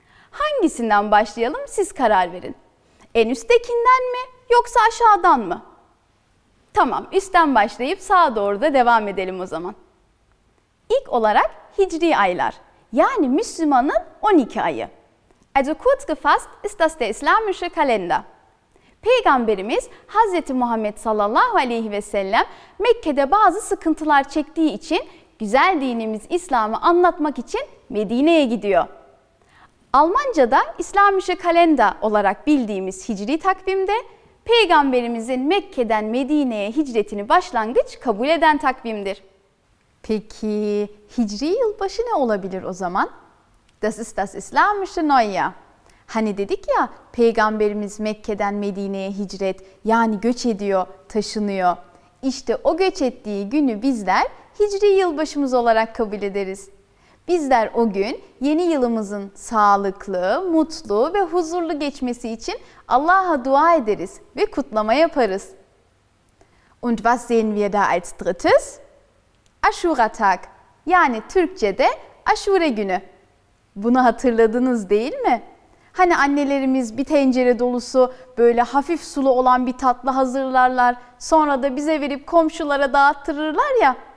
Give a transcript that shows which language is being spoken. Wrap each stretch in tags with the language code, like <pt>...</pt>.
<tr>Hangisinden başlayalım siz karar verin. En üsttekinden mi yoksa aşağıdan mı? Tamam, üstten başlayıp sağa doğru da devam edelim o zaman. İlk olarak hicri aylar, yani Müslümanın 12 ayı.</tr> <de>Also kurz gefasst ist das der islamische Kalender.</de> <tr>Peygamberimiz Hazreti Muhammed sallallahu aleyhi ve sellem Mekke'de bazı sıkıntılar çektiği için güzel dinimiz İslam'ı anlatmak için Medine'ye gidiyor. Almanca'da</tr> <de>islamische Kalender</de> <tr>olarak bildiğimiz hicri takvimde peygamberimizin Mekke'den Medine'ye hicretini başlangıç kabul eden takvimdir. Peki hicri yılbaşı ne olabilir o zaman?</tr> <de>Das ist das islamische Neujahr.</de> <tr>Hani dedik ya, peygamberimiz Mekke'den Medine'ye hicret, yani göç ediyor, taşınıyor. İşte o göç ettiği günü bizler hicri yılbaşımız olarak kabul ederiz. Bizler o gün yeni yılımızın sağlıklı, mutlu ve huzurlu geçmesi için Allah'a dua ederiz ve kutlama yaparız.</tr> <de>Und was sehen wir da als drittes?</de> <tr>Aşura Tag, yani Türkçe'de Aşure günü. Bunu hatırladınız değil mi? Hani annelerimiz bir tencere dolusu böyle hafif sulu olan bir tatlı hazırlarlar, sonra da bize verip komşulara dağıttırırlar ya.</tr>